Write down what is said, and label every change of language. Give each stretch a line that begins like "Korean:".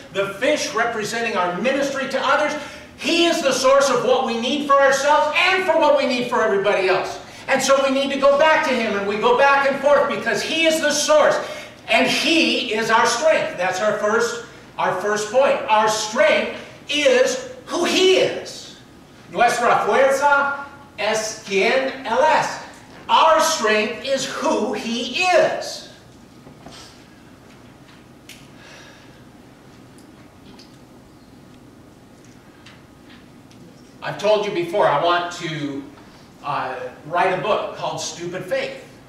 English: The fish representing our ministry to others. He is the source of what we need for ourselves and for what we need for everybody else. And so we need to go back to Him, and we go back and forth because He is the source and He is our strength. That's our first point. Our strength is who He is.
Spanish: Nuestra fuerza es quien él es.
English: Our strength is who He is. I've told you before, I want to write a book called Stupid Faith.